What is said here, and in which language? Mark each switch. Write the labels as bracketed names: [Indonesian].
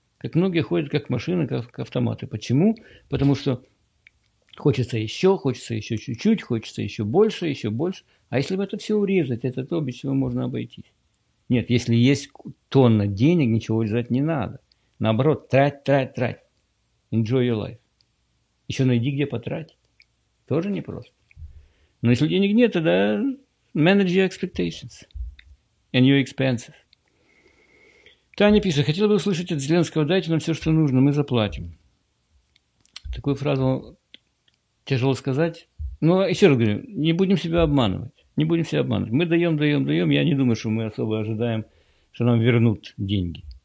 [Russian] Как многие ходят, как машины, как автоматы. Почему? Потому что хочется еще чуть-чуть, хочется еще больше, а если бы это все урезать, это то, без чего можно обойтись. Нет, если есть тонна денег, ничего урезать не надо. Наоборот, трать, трать, трать. [English] Enjoy your life. [Russian] Еще найди, где потратить. Тоже непросто. Но если денег нет, тогда [English] manage your expectations and your expenses. [Russian] Таня пишет, хотела бы услышать от Зеленского, дайте нам все, что нужно, мы заплатим. Такую фразу тяжело сказать. Но еще раз говорю, не будем себя обманывать. Не будем себя обманывать. Мы даем, даем, даем. Я не думаю, что мы особо ожидаем, что нам вернут деньги.